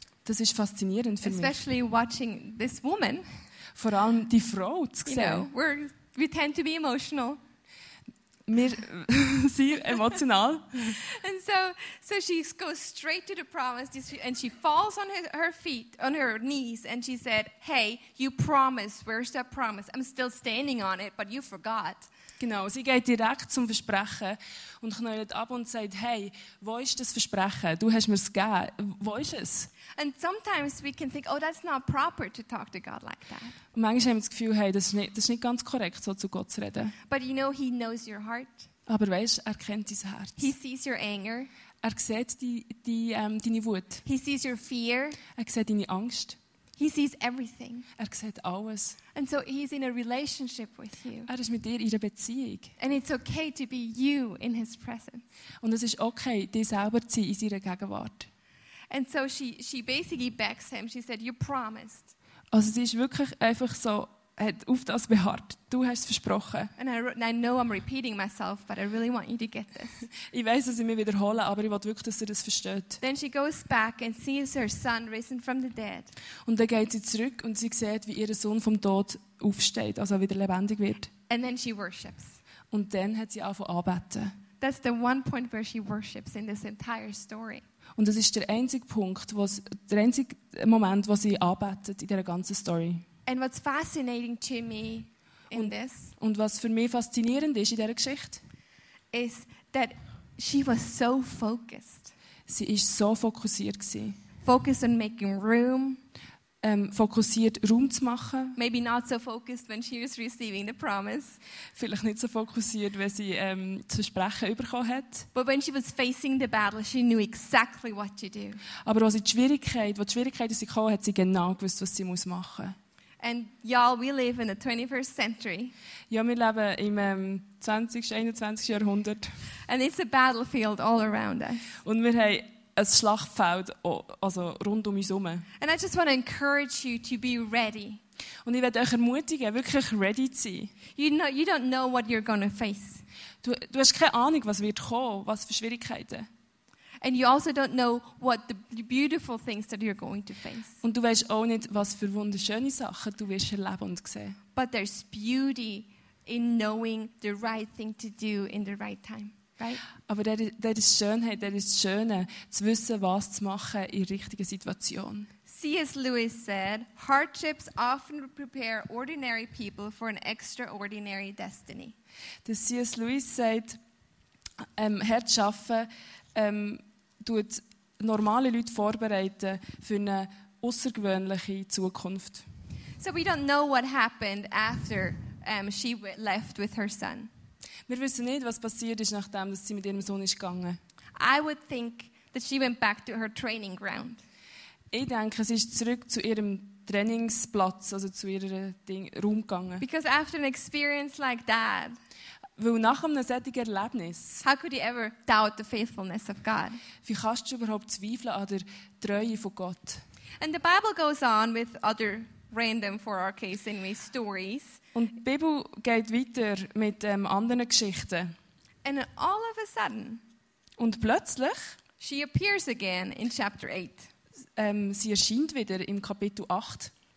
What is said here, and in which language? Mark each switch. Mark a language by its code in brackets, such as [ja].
[de] Das ist faszinierend für [en] especially [de] mich. [en] Watching this woman. [de] Vor allem die Frau zu sehen. [en] You know, we tend to be emotional. [de] Wir sind emotional. [en] And so she goes straight to the promise and she falls on her feet, on her knees, and she said, hey, you promised, where's that promise? I'm still standing on it, but you forgot. [de] Genau, sie geht direkt zum Versprechen und knallt ab und sagt, hey, wo ist das Versprechen? Du hast mir es gegeben. Wo ist es? [en] And sometimes we can think, oh, that's not proper to talk to God like that. [de] Und manchmal haben wir das Gefühl, hey, das ist nicht ganz korrekt, so zu Gott zu reden. [en] But you know, he knows your heart. [de] Aber weißt, er kennt dein Herz. [en] He sees your anger. [de] Er sieht deine Wut. [en] He sees your fear. [de] Er sieht deine Angst. [en] He sees everything. [de] Er sieht alles. [en] And so he's in a relationship with you. [de] Er ist mit dir in der Beziehung. [en] And it's okay to be you in his presence. [de] Und es ist okay, dich selber zu sein in seiner Gegenwart. [en] And so she basically begs him. She said, you promised. [de] Also sie ist wirklich einfach so, hat auf das beharrt. Du hast es versprochen. [en] And I know I'm repeating myself, but I really want you to get this. [de] Ich weiss, dass ich mich wiederhole, aber ich will wirklich, dass ihr das versteht. [en] Then she goes back and sees her son risen from the dead. [de] Und dann geht sie zurück und sie sieht, wie ihr Sohn vom Tod aufsteht, also wieder lebendig wird. [en] And then she worships. [de] Und dann hat sie angefangen anbeten. [en] That's the one point where she worships in this entire story. [de] Und das ist der einzige Moment, wo sie arbeitet in dieser ganzen Story. [en] And what's fascinating to me in [de] und was für mich faszinierend ist in dieser Geschichte, [en] is that She was so focused. [de] Sie ist so fokussiert gsi. [en] Focused on making room. [de] Fokussiert Raum zu machen. [en] Maybe not so focused when she was receiving the promise. [de] Vielleicht nicht so fokussiert, wenn sie zu sprechen bekommen hat. [en] But when she was facing the battle, she knew exactly what to do. [de] Aber als sie gekommen hat, sie genau gewusst, was sie muss machen. [en] And y'all, we live in the 21st century. [de] Ja, wir leben im 20. 21. Jahrhundert. [en] And it's a battlefield all around us. [de] Und wir haben ein Schlachtfeld, also rund um uns herum. [en] And I just want to encourage you to be ready. [de] Und ich möchte euch ermutigen, wirklich ready zu sein. [en] You don't know what you're going to face. [de] Du hast keine Ahnung, was wird kommen, was für Schwierigkeiten. [en] And you also don't know what the beautiful things that you're going to face. Und du weißt auch nicht, was für wunderschöne Sachen du wirst erleben und sehen. But there's beauty in knowing the right thing to do in the right time. Right? [de] Aber das ist Schönheit, das ist Schöne, zu wissen, was zu machen in der richtigen Situation. [en] C.S. Lewis said, hardships often prepare ordinary people for an extraordinary destiny. [de] C.S. Lewis sagt, hart zu arbeiten, tut normale Leute vorbereiten für eine außergewöhnliche Zukunft. [en] So we don't know what happened after she left with her son. [de] Wir wissen nicht, was passiert ist, nachdem sie mit ihrem Sohn ist gegangen. [en] I would think that she went back to her training ground. [de] Ich denke, sie ist zurück zu ihrem Trainingsplatz, also zu ihrem Raum gegangen. [en] Because after an experience like that, [de] weil nach einem solchen Erlebnis, [en] how could you ever doubt the faithfulness of God? [de] Wie kannst du überhaupt zweifeln an der Treue von Gott? [en] And the Bible goes on with other random for our case anyway stories. [de] Und die Bibel geht weiter mit anderen Geschichten. [en] And all of a sudden, [de] und plötzlich, [en] she appears again in chapter 8. [de] Sie erscheint wieder im Kapitel 8.